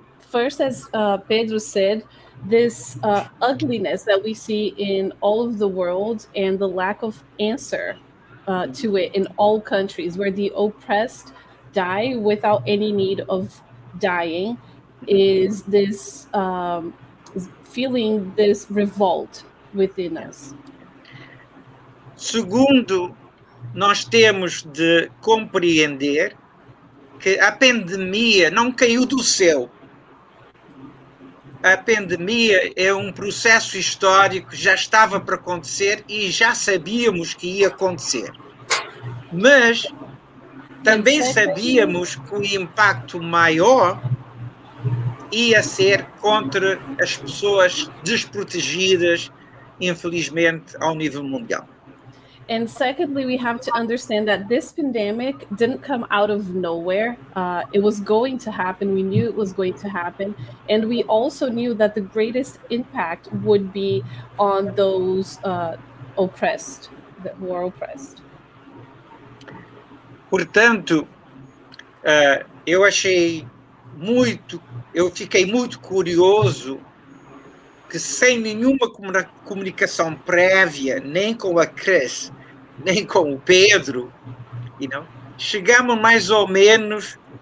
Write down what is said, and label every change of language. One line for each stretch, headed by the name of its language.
English: First, as Pedro said, this ugliness that we see in all of the world and the lack of answer to it in all countries, where the oppressed die without any need of dying, is this feeling, this revolt within us.
Portuguese: Segundo, nós temos de compreender que a pandemia não caiu do céu. A pandemia é um processo histórico, já estava para acontecer e já sabíamos que ia acontecer. Mas também sabíamos que o impacto maior ia ser contra as pessoas desprotegidas, infelizmente, ao nível mundial.
English: And secondly, we have to understand that this pandemic didn't come out of nowhere. It was going to happen. We knew it was going to happen. And we also knew that the greatest impact would be on those oppressed, that were oppressed.
Portuguese: Portanto, eu achei muito, eu fiquei muito curioso que sem nenhuma comunicação prévia, nem com a Cris, nem com o Pedro,
English: you know,
Portuguese: chegamos mais ou menos